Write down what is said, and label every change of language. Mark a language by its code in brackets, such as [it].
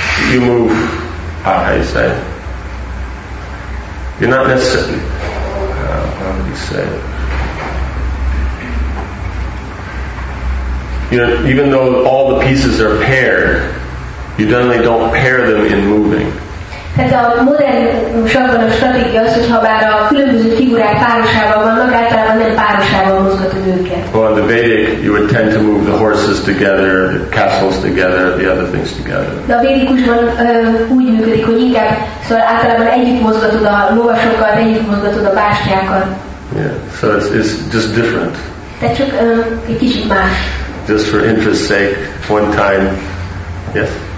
[en] You move. How do you say? You're not necessarily. How do you say? Even though all the pieces are paired, you generally don't pair them in moving. [hu] Tehát a modern sakkban a stratégia az, hogy ha bár a különböző figurák párosában vannak, általában nem párosában mozgatod őket. [en] Well, in the Vedic, you would tend to move the horses together, the castles together, the other things together. [hu] De a Vedikusban úgy működik, hogy inkább, szóval általában együtt mozgatod a lovasokkal, együtt mozgatod a bástyákkal. [en] Yeah, so it's just different. [hu] Tehát csak egy kicsit más. [en] Just for interest's sake, one time, yes?